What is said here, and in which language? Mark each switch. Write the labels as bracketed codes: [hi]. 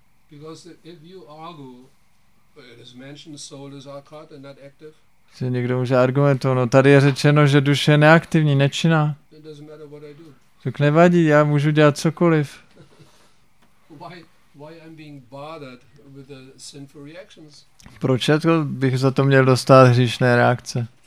[en] Because if you argue, it is mentioned soul is arkata and not active. [cs] Se někdo může argumentovat, no tady je řečeno, že duše je neaktivní, nečinná. [en] It doesn't matter what I do. [cs] Tak nevadí, já můžu dělat cokoliv. [en] Why I'm being bothered with the sinful reactions? [cs] Proč bych za to měl dostat hříšné reakce?